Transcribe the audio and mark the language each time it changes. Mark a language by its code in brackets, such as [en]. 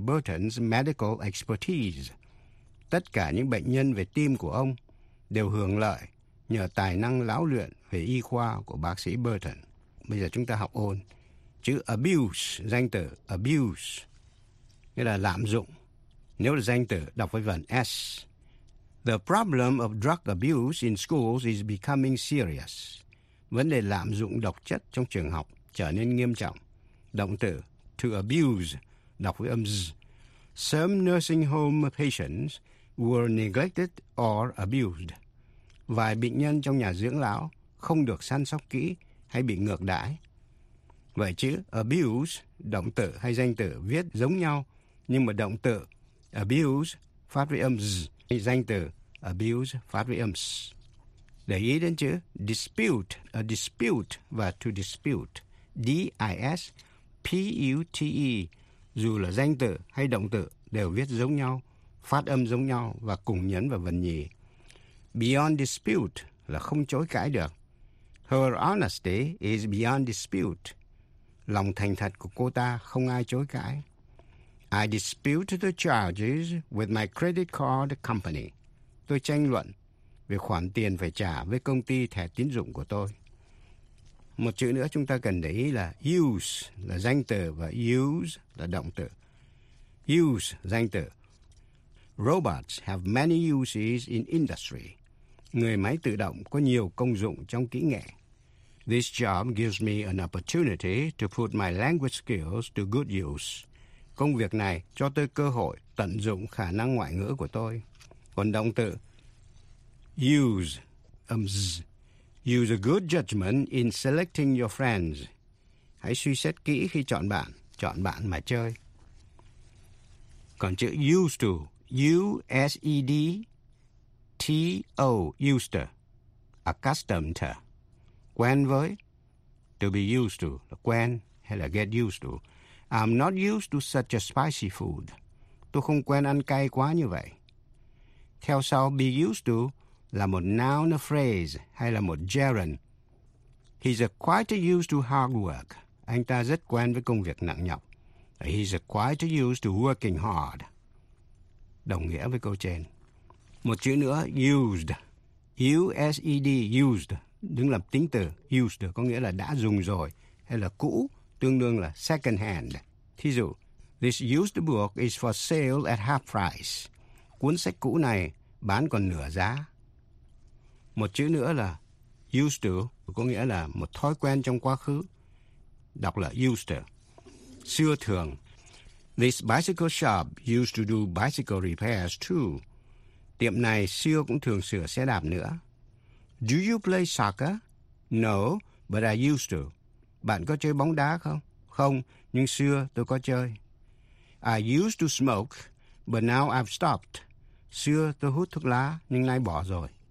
[en] Burton's medical expertise. [vi] Tất cả những bệnh nhân về tim của ông đều hưởng lợi nhờ tài năng lão luyện về y khoa của bác sĩ Burton. Bây giờ chúng ta học ôn. Chữ abuse, danh từ abuse, nghĩa là lạm dụng. Nếu là danh từ, đọc với vần S. [en] The problem of drug abuse in schools is becoming serious. [vi] Vấn đề lạm dụng độc chất trong trường học trở nên nghiêm trọng. Động từ to abuse, đọc với âm Z. [en] Some nursing home patients were neglected or abused. [vi] Vài bệnh nhân trong nhà dưỡng lão không được săn sóc kỹ hay bị ngược đãi. Vậy chữ abuse, động từ hay danh từ viết giống nhau, nhưng mà động từ abuse phát với âm Z, danh từ abuse phát với âm S. Để ý đến chữ dispute, a dispute và to dispute, D-I-S-P-U-T-E, dù là danh từ hay động từ đều viết giống nhau, phát âm giống nhau và cùng nhấn vào vần nhì. [en] Beyond dispute [vi] là không chối cãi được. [en] Her honesty is beyond dispute. [vi] Lòng thành thật của cô ta không ai chối cãi. [en] I dispute the charges with my credit card company. [vi] Tôi tranh luận về khoản tiền phải trả với công ty thẻ tín dụng của tôi. Một chữ nữa chúng ta cần để ý là use là danh từ và use là động từ. Use, danh từ. [en] Robots have many uses in industry. [vi] Người máy tự động có nhiều công dụng trong kỹ nghệ. [en] This job gives me an opportunity to put my language skills to good use. [vi] Công việc này cho tôi cơ hội tận dụng khả năng ngoại ngữ của tôi. Còn động từ use, âm z. [en] Use a good judgment in selecting your friends. [vi] Hãy suy xét kỹ khi chọn bạn mà chơi. Còn chữ used to, U-S-E-D-T-O, used to, accustomed to, quen với, to be used to, là quen hay là get used to. [en] I'm not used to such a spicy food. [vi] Tôi không quen ăn cay quá như vậy. Theo sau, be used to là một noun a phrase hay là một gerund. [en] He's a quite used to hard work. [vi] Anh ta rất quen với công việc nặng nhọc. [en] He's a quite used to working hard. [vi] Đồng nghĩa với câu trên. Một chữ nữa, used. U-S-E-D, used. Đứng làm tính từ. Used có nghĩa là đã dùng rồi hay là cũ, tương đương là second hand. [en] Thí dụ, this used book is for sale at half price. [vi] Cuốn sách cũ này bán còn nửa giá. Một chữ nữa là used to, có nghĩa là một thói quen trong quá khứ. Đọc là used to. [en] Xưa thường, this bicycle shop used to do bicycle repairs too. [vi] Tiệm này xưa cũng thường sửa xe đạp nữa. [en] Do you play soccer? No, but I used to. [vi] Bạn có chơi bóng đá không? Không, nhưng xưa tôi có chơi. [en] I used to smoke, but now I've stopped. [vi] Xưa tôi hút thuốc lá, nhưng nay bỏ rồi.